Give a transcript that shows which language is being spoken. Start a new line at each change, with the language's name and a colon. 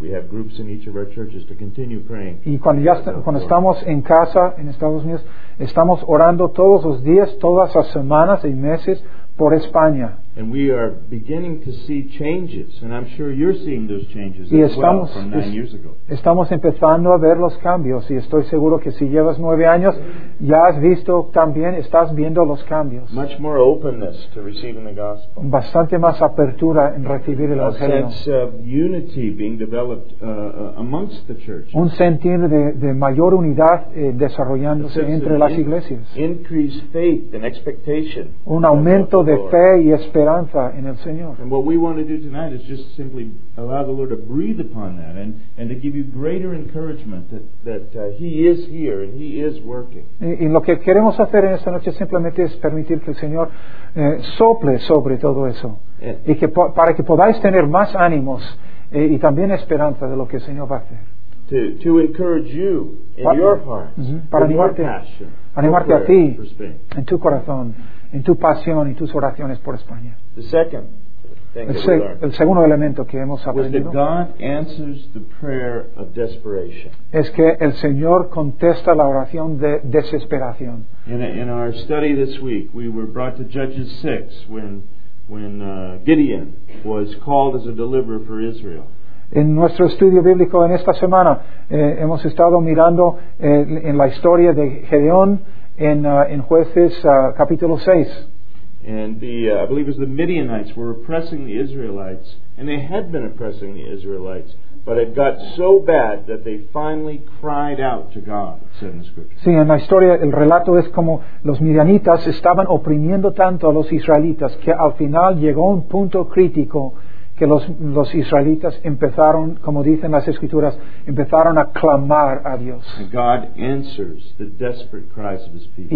English: We have groups in each of our churches to continue praying.
Spanish: Y cuando estamos en casa en Estados Unidos, estamos orando todos los días, todas las semanas y meses por España.
English: And we are beginning to see changes, and I'm sure you're seeing those changes
Spanish: y estamos,
English: as well from 9 years ago.
Spanish: Estamos empezando a ver los cambios, y estoy seguro que si llevas 9 años, ya has visto también, estás viendo los cambios.
English: Much more openness to receiving the gospel.
Spanish: Bastante más apertura en recibir el evangelio.
English: A sense of unity being developed amongst the church.
Spanish: Un sentir de mayor unidad desarrollándose entre las iglesias.
English: Increased faith and expectation.
Spanish: Un aumento de fe y esperanza en el Señor.
English: And what we want to do tonight is just simply allow the Lord to breathe upon that and to give you greater encouragement that He is here and He is working.
Spanish: Y lo que queremos hacer en esta noche simplemente es permitir que el Señor sople sobre todo eso y que para que podáis tener más ánimos y también esperanza de lo que el Señor va a hacer.
English: To encourage you in your heart,
Spanish: para animarte,
English: your passion,
Spanish: animarte
English: prayer,
Spanish: a ti en tu corazón, en tu pasión y tus oraciones por España.
English: The second thing
Spanish: el segundo elemento que hemos aprendido
English: was that God answers the prayer of desperation.
Spanish: Es que el Señor contesta la oración de desesperación.
English: In our study this week, we were brought to Judges 6 when Gideon was called as a deliverer for Israel.
Spanish: En nuestro estudio bíblico en esta semana hemos estado mirando en la historia de Gedeón en Jueces capítulo 6.
English: And I believe it was the Midianites were oppressing the Israelites, and they had been oppressing the Israelites, but it got so bad that they finally cried out to God, said in the scripture.
Spanish: Sí, en la historia el relato es como los Midianitas estaban oprimiendo tanto a los israelitas que al final llegó un punto crítico que los israelitas empezaron, como dicen las escrituras, empezaron a clamar a Dios.
English: And God answers the desperate cries of his people.